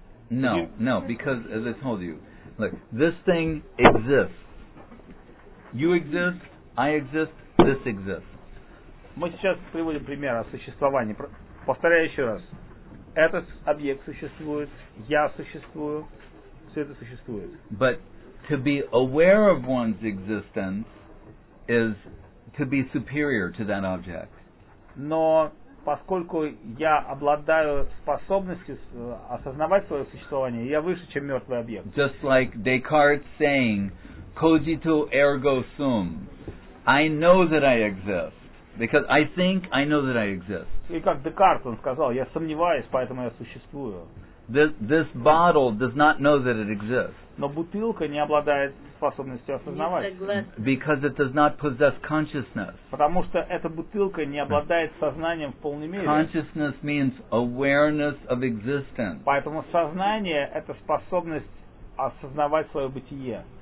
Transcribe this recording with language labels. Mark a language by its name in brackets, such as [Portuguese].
[English] No, because as I told you, look, this thing exists. You exist, I exist, this exists. [Russian] Мы сейчас приводим пример о существовании. Повторяю еще раз. Этот объект существует, я существую, все это существует. [English] But to be aware of one's existence is to be superior to that object. [Russian] Но поскольку я обладаю способностью осознавать свое существование, я выше, чем мертвый объект. [English] Just like Descartes saying, [Latin] cogito ergo sum. [English] I know that I exist. Because I think I know that I exist. [Russian] И как Декарт, он сказал, я сомневаюсь, поэтому я существую. [English] This bottle does not know that it exists. [Russian] Но бутылка не обладает способностью осознавать. [English] Because it does not possess consciousness. [Russian] Потому что эта бутылка не обладает сознанием в полной мере. [English] Consciousness means awareness of existence. [Russian] Поэтому сознание — это способность осознавать свое бытие.